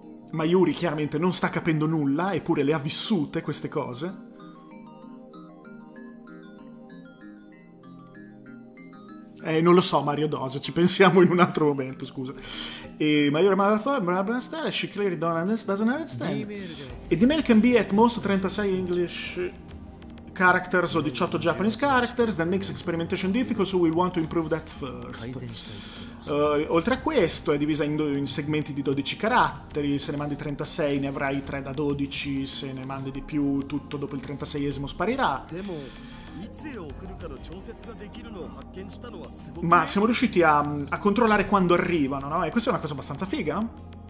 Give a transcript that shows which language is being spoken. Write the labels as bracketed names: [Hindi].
[Italian] Mayuri chiaramente non sta capendo nulla, eppure le ha vissute queste cose. Non lo so, Mario Dose, ci pensiamo in un altro momento, scusa. E [English] Mayuri she clearly doesn't understand. [Italian] E [English] the mail can be at most 36 English characters o 18 Japanese characters, that makes experimentation difficult, so we'll want to improve that first. [Italian] Oltre a questo è divisa in segmenti di 12 caratteri, se ne mandi 36 ne avrai 3 da 12, se ne mandi di più tutto dopo il 36esimo sparirà. Ma siamo riusciti a controllare quando arrivano, no? E questa è una cosa abbastanza figa, no?